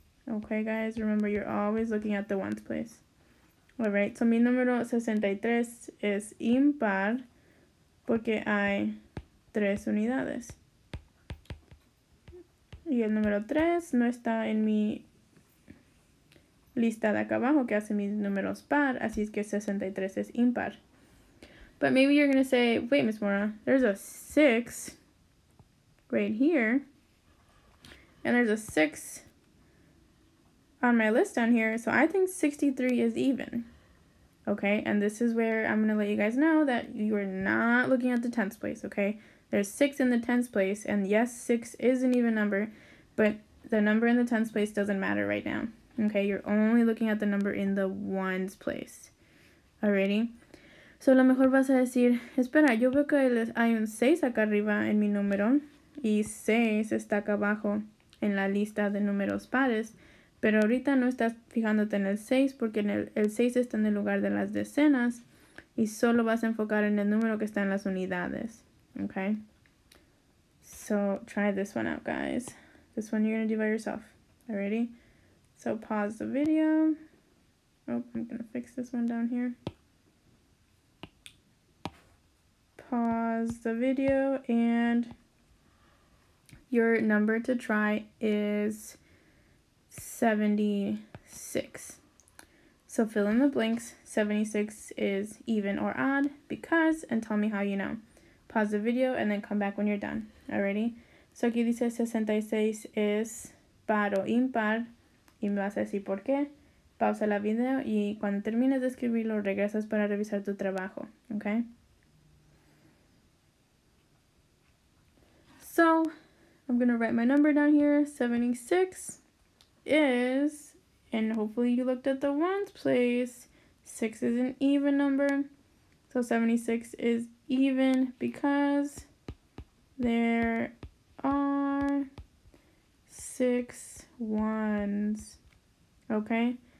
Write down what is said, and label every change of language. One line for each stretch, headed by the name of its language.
English: Okay, guys, remember you're always looking at the ones place. All right, so
Spanish: mi número 63 es impar porque hay tres unidades. Y el número 3 no está en mi lista de acá abajo que hace mis números par, así es que 63 es impar.
English: But maybe you're going to say, wait, Miss Mora, there's a 6 right here. And there's a 6 on my list down here. So I think 63 is even. Okay, and this is where I'm going to let you guys know that you are not looking at the tens place, okay? There's 6 in the tens place, and yes, 6 is an even number, but the number in the tens place doesn't matter right now, okay? You're only looking at the number in the ones place. Alrighty?
Spanish: So, lo mejor vas a decir, espera, yo veo que hay un 6 acá arriba en mi número, y 6 está acá abajo en la lista de números pares. Pero ahorita no estás fijándote en el 6 porque el 6 está en el lugar de las decenas y solo vas a enfocar en el número que está en las unidades, okay?
English: So, try this one out, guys. This one you're going to do by yourself. Alrighty? So, pause the video. Oh, I'm going to fix this one down here. Pause the video and your number to try is 76. So fill in the blanks. 76 is even or odd because, and tell me how you know. Pause the video and then come back when you're done. Alrighty? So
Spanish: aquí dice 66 es par o impar. Y me vas a decir por qué. Pausa la video y cuando termines de escribirlo, regresas para revisar tu trabajo.
English: Okay? So I'm gonna write my number down here. 76. Is, and hopefully you looked at the ones place, 6 is an even number, so 76 is even because there are 6 ones, okay?